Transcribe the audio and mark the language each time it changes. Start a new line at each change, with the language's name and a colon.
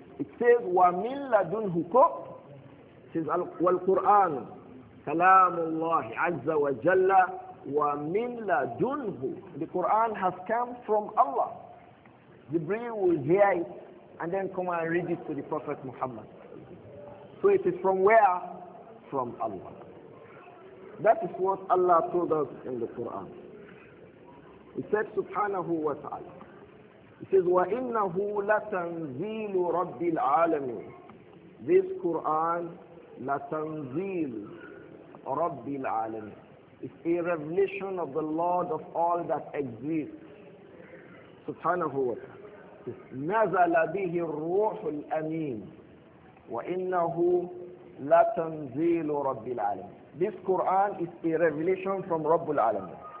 English: It says,
Arabic: وَمِنْ لَدُنْهُ كُبْ,
English: it says,
Arabic: والقرآن كلام الله عز وجل, وَمِنْ لَدُنْهُ,
English: the Quran has come from Allah. Jibreel will hear it and then come and read it to the Prophet Muhammad. So it is from where? From Allah. That is what Allah told us in the Quran. He said, Subhanahu wa ta'ala. He says,
Arabic: وَإِنَّهُ لَتَنْزِيلُ رَبِّ الْعَالَمِينَ.
English: This Quran,
Arabic: لَتَنْزِيلُ رَبِّ الْعَالَمِينَ.
English: It's a revelation of the Lord of all that exists.
Arabic: Subhanahu wa ta'ala. نَزَلَ بِهِ الرُّوحُ الْأَمِينَ وَإِنَّهُ لَتَنْزِيلُ رَبِّ الْعَالَمِينَ.
English: This Quran is a revelation from
Arabic: رَبُّ الْعَالَمِينَ.